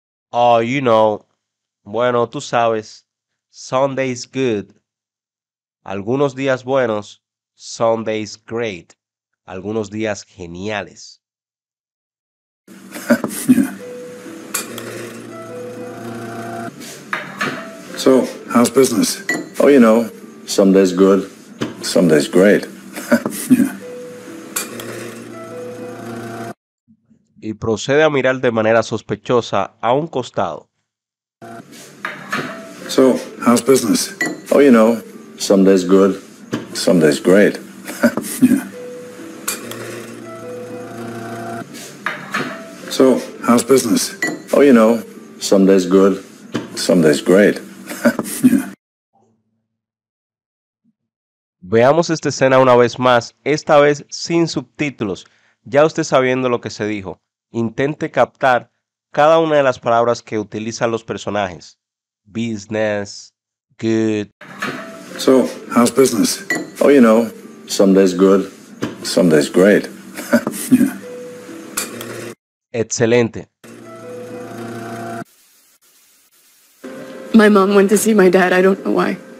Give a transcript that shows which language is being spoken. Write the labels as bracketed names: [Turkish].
[English] Oh, you know, bueno, tú sabes, some days good, algunos días buenos, some days great, algunos días geniales. Yeah. So, how's business? Oh, you know, some days good, some days great. Yeah. [Spanish] Y procede a mirar de manera sospechosa a un costado. [English] So, how's business? Oh, you know, some days good, some days great. So, how's business? Oh, you know, some days good, some days great. [Spanish] Veamos esta escena una vez más, esta vez sin subtítulos, ya usted sabiendo lo que se dijo. Intente captar cada una de las palabras que utilizan los personajes. [English] Business, good. So, how's business? Oh, you know, some days good, some days great. [Spanish] Excelente. [English] My mom went to see my dad. I don't know why.